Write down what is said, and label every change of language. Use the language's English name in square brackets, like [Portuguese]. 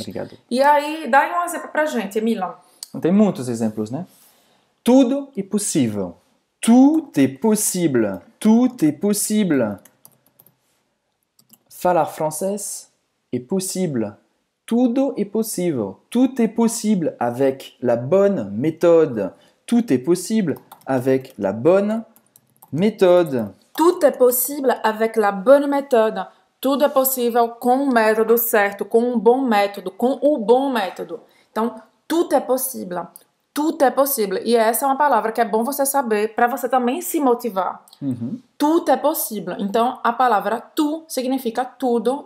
[Portuguese] Obrigado. E aí, dá um exemplo para a gente, Emila. Não tem muitos exemplos, né? Tudo é possível. [French] Tout est possible. Tout est possible. [Portuguese] Falar francês é possível. [French] Tudo est possible. Tout est possible avec la bonne méthode. Tout est possible avec la bonne méthode. Tout est possible avec la bonne méthode. [Portuguese] Tudo é possível com o método certo, com o bom método, com o bom método. Então, [French] tout est possible. Tout est possible. [Portuguese] E essa é uma palavra que é bom você saber para você também se motivar. [French] Tout est possible. [Portuguese] Então, a palavra tu significa tudo.